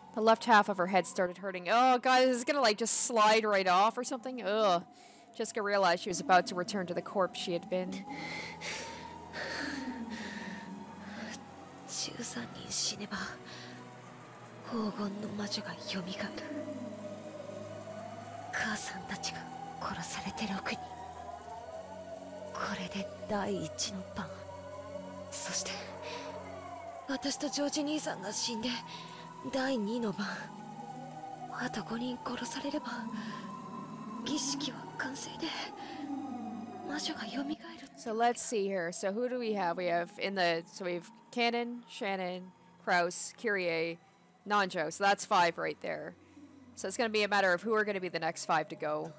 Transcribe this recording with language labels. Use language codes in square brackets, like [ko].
[en] The left half of her head started hurting. Oh god, this is gonna like just slide right off or something? Ugh. Jessica realized she was about to return to the corpse she had been. [ja] 13人死ねば黄金の魔女が蘇る。母さんたちが殺されて6人、これで第一の番。そして私とジョージ兄さんが死んで第二の番。あと5人殺されれば儀式は完成で魔女が蘇る。 [en] So let's see here. So who do we have? We have in the... So we have Cannon, Shannon, Kraus, Kyrie, Nanjo, so that's 5 right there. So it's going to be a matter of who are going to be the next 5 to go.